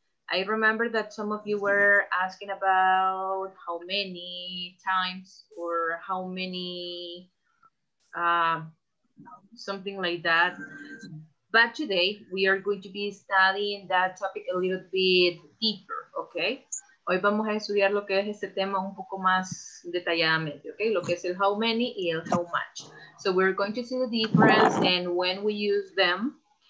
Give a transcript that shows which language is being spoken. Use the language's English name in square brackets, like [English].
[English] I remember that some of you were asking about how many times or how many, something like that. But today we are going to be studying that topic a little bit deeper, okay? [Spanish] Hoy vamos a estudiar lo que es este tema un poco más detalladamente, okay? Lo que es el how many y el how much. [English] So we're going to see the difference and when we use them.